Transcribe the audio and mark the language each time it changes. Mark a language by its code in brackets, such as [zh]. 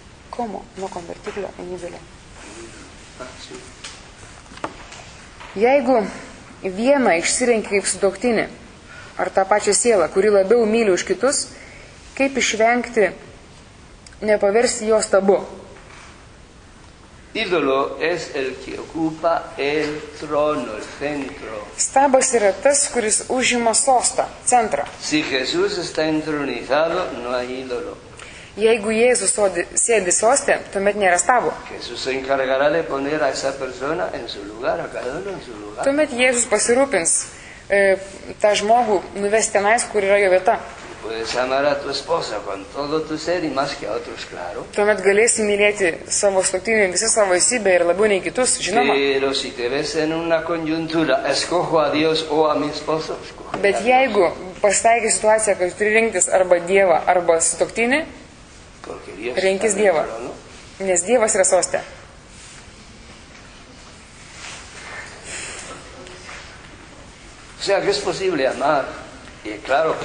[es] ¿Cómo no convertirlo en ídolo? Ah, sí. [lt] Jeigu vieną išsirenki kaip sudoktinį, ar tą pačią sielą, kuri labiau myli už kitus, kaip išvengti, nepaversi jos tabu? [es] Ídolo es el que ocupa el trono, el centro. [lt] Stabas yra tas, kuris užima sostą, centrą. [es] Si Jesús está entronizado, no hay ídolo. [lt] Jeigu Jėzus sėdi soste, tuomet nėra stabo. [es] Jesús se encargará de poner a esa persona en su lugar, a cada uno en su lugar. [lt] Tuomet Jėzus pasirūpins tą žmogų nuvesti tenais, kur yra jo vieta. [es] Puedes amar a tu esposa con todo tu ser y más que a otros, claro. [lt] Tuomet galėsi mylėti savo sutuoktinį visą savo esybę ir labiau nei kitus, žinoma. [es] Pero si te ves en una coyuntura, escojo a Dios o a mi esposo, escojo a Dios. [lt] Bet jeigu pasitaikė situacija, kad turi rinktis arba Dievą, arba sutuoktinį, rinkis Dievą, nes Dievas yra soste. [es] O sea, que es posible amar. Claro,